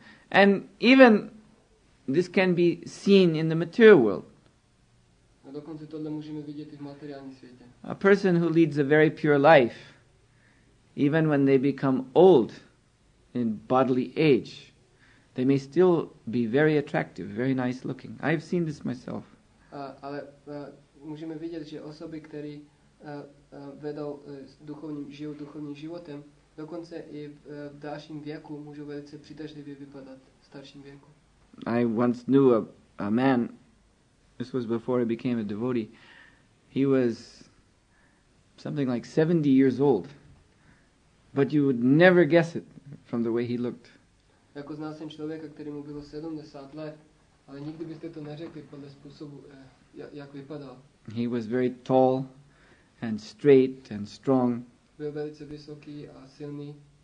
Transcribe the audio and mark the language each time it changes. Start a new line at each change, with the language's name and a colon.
English: And even this can be seen in the material world.
Czech: A dokonce tohle můžeme vidět i v materiálním světě.
English: A person who leads a very pure life, even when they become old in bodily age, they may still be very attractive, very nice looking. I have seen this myself.
Czech: Ale můžeme vidět, že osoby, které vedou duchovním životem, dokonce i v dalším věku můžou velice přitažlivě vypadat v starším věku.
English: I once knew a man, this was before he became a devotee, he was something like 70 years old. But you would never guess it from the way he looked.
Czech: Jako znal jsem člověka, kterému bylo 70 let, ale nikdy byste to neřekli podle způsobu, jak vypadal.
English: He was very tall and straight and strong.
Czech: Byl velice vysoký a silný.